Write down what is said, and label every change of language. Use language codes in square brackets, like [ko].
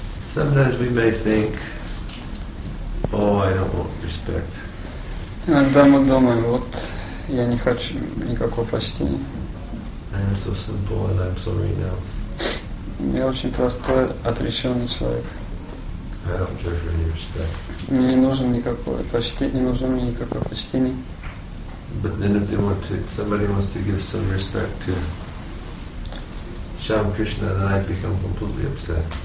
[en] Sometimes we may think, "Oh, I don't want respect." [ru] Иногда мы думаем, вот я не хочу никакого почтения. [en] I'm so simple and I'm so renounced. [ru] Я очень простой, отрешенный человек. [en] I don't care for any respect. [ru] Мне не нужен никакой почтение, не нужно мне никакого почтения. [en] But then if they want to, somebody wants to give some respect to Shyam Krishna, then I become completely upset.